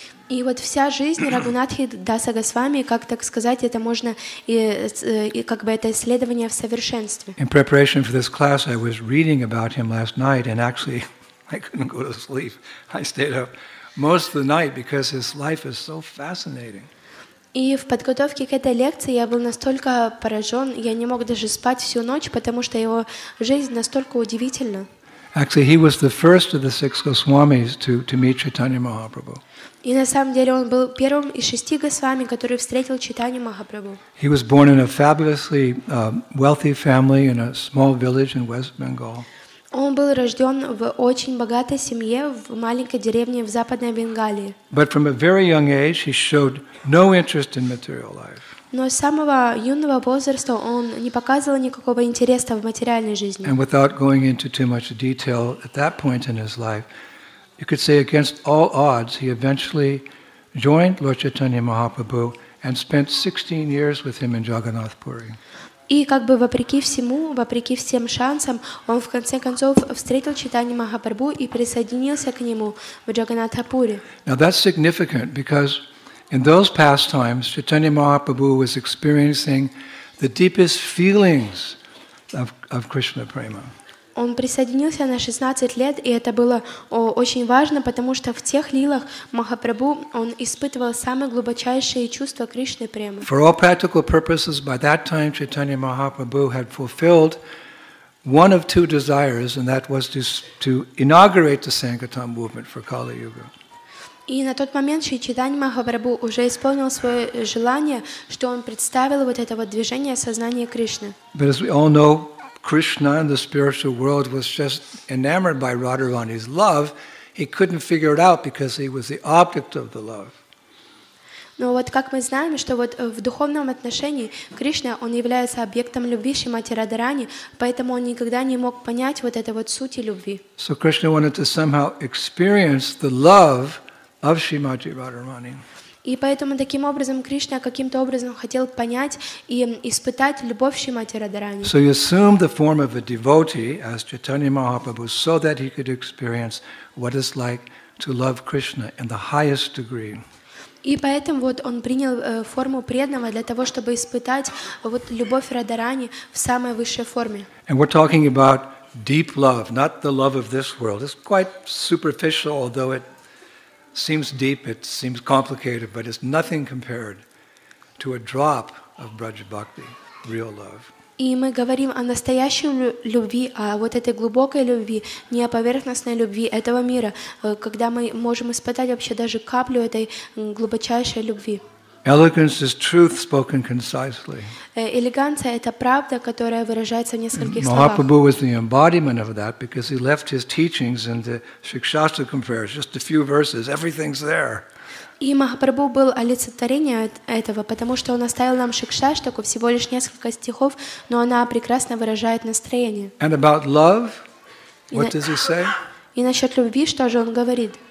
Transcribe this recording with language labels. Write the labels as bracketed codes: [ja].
[ru] И вот вся жизнь Рагунатхи Даса Госвами, как так сказать, это можно и как бы это исследование в совершенстве. [en] In preparation for this class, I was reading about him last night, and actually, I couldn't go to sleep. I stayed up most of the night because his life is so fascinating. [ru] И в подготовке к этой лекции я был настолько поражен, я не мог даже спать всю ночь, потому что его жизнь настолько удивительна. [en] Actually, he was the first of the six Goswamis to meet Chaitanya Mahaprabhu. [ru] И на самом деле он был первым из шести Госвами, который встретил Чайтанью Махапрабху. [en] He was born in a fabulously wealthy family in a small village in West Bengal. [ru] Он был рожден в очень богатой семье в маленькой деревне в Западной Бенгалии. [en] But from a very young age, he showed no interest in material life. [ru] Но с самого юного возраста он не показывал никакого интереса в материальной жизни. [en] And without going into too much detail, at that point in his life, you could say against all odds, he eventually joined Lord Chaitanya Mahaprabhu and spent 16 years with him in Jagannath Puri. [ru] И как бы вопреки всему, вопреки всем шансам, он в конце концов встретил Чайтанью Махапрабху и присоединился к нему в Джаганнатхапуре. [en] Now that's significant because in those past times, Чайтанья Махапрабху was experiencing the deepest feelings of Krishna prema. [ru] Он присоединился на 16 лет, и это было очень важно, потому что в тех лилах Махапрабху он испытывал самые глубочайшие чувства Кришны премы. [en] For all practical purposes, by that time Chaitanya Mahaprabhu had fulfilled one of two desires, and that was to inaugurate the Sankirtan movement for Kali Yuga. [ru] И на тот момент Чайтанья Махапрабху уже исполнил свое желание, что он представил вот это вот движение сознания Кришны. [en] But as we all know, Krishna in the spiritual world was just enamored by Radharani's love. He couldn't figure it out because he was the object of the love. [ru] Но вот как мы знаем, что вот в духовном отношении Кришна, он является объектом любви Шримати Радхарани, поэтому он никогда не мог понять вот это вот сути любви. [en] So Krishna wanted to somehow experience the love of Shrimati Radharani. [ru] И поэтому таким образом Кришна каким-то образом хотел понять и испытать любовь Шримати Радхарани. [en] So he assumed the form of a devotee as Chaitanya Mahaprabhu so that he could experience what it's like to love Krishna in the highest degree. [ru] И поэтому вот он принял форму преданного для того, чтобы испытать вот любовь Радхарани в самой высшей форме. [en] And we're talking about deep love, not the love of this world. It's quite superficial, although it seems deep, it seems complicated, but it's nothing compared to a drop of Braj Bhakti, real love. [ru] И мы говорим о настоящей любви, о вот этой глубокой любви, не о поверхностной любви этого мира, когда мы можем испытать вообще даже каплю этой глубочайшей любви. [en] Elegance is truth spoken concisely. [ru] Элеганция – это правда, которая выражается в нескольких словах. [en] Mahaprabhu was the embodiment of that because he left his teachings in the Shikshastakam prayers, just a few verses, everything's there. [ru] И Махапрабху был олицетворением этого, потому что он оставил нам Шикшаштаку всего лишь несколько стихов, но она прекрасно выражает настроение. [en] And about love, what does he say? [ru] И насчет любви, что же он говорит?